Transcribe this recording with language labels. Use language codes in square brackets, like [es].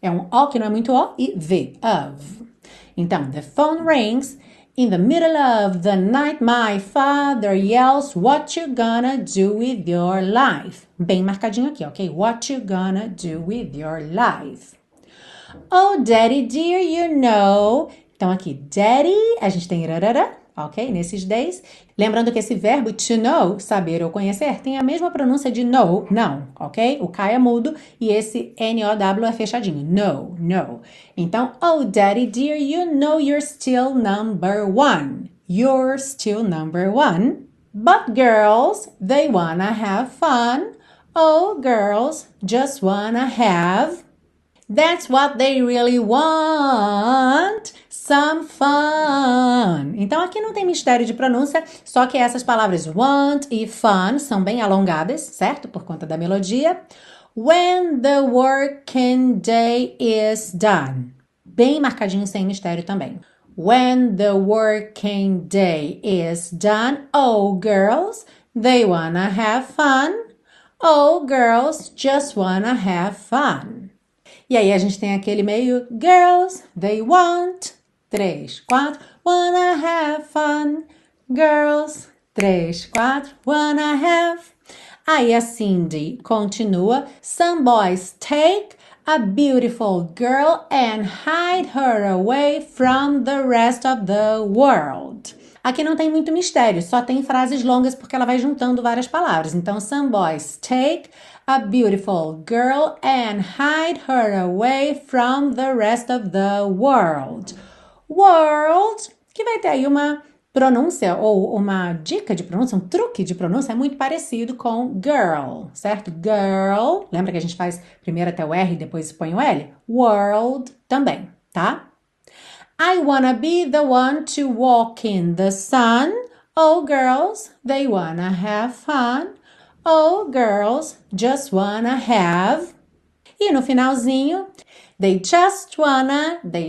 [pt] É um O que não é muito O e V, of. [en] Então, the phone rings, in the middle of the night, my father yells, what you gonna do with your life? [pt] Bem marcadinho aqui, ok? [en] What you gonna do with your life? Oh, daddy dear, you know. [pt] Então, aqui, daddy, a gente tem rarara. Ok? Nesses days. Lembrando que esse verbo to know, saber ou conhecer, tem a mesma pronúncia de know, não, ok? O K é mudo e esse N-O-W é fechadinho. [en] No, no. Então, oh, daddy dear, you know you're still number one. You're still number one. But girls, they wanna have fun. Oh, girls, just wanna have. That's what they really want. Some fun. [pt] Então aqui não tem mistério de pronúncia, só que essas palavras want e fun são bem alongadas, certo? Por conta da melodia. [en] When the working day is done. [pt] Bem marcadinho, sem mistério também. [en] When the working day is done, oh girls, they wanna have fun. Oh girls, just wanna have fun. [pt] E aí a gente tem aquele meio, [en] girls, they want. [pt] Três, quatro, [en] wanna have fun, girls. [pt] Três, quatro, [en] wanna have. [pt] Aí a Cindy continua. [en] Some boys take a beautiful girl and hide her away from the rest of the world. [pt] Aqui não tem muito mistério, só tem frases longas porque ela vai juntando várias palavras. [en] Então, some boys take a beautiful girl and hide her away from the rest of the world. [pt] World, que vai ter aí uma pronúncia ou uma dica de pronúncia, um truque de pronúncia muito parecido com girl, certo? Girl, lembra que a gente faz primeiro até o R e depois põe o L? World também, tá? [en] I wanna be the one to walk in the sun. Oh, girls, they wanna have fun. Oh, girls, just wanna have. [pt] E no finalzinho, [en] they just wanna.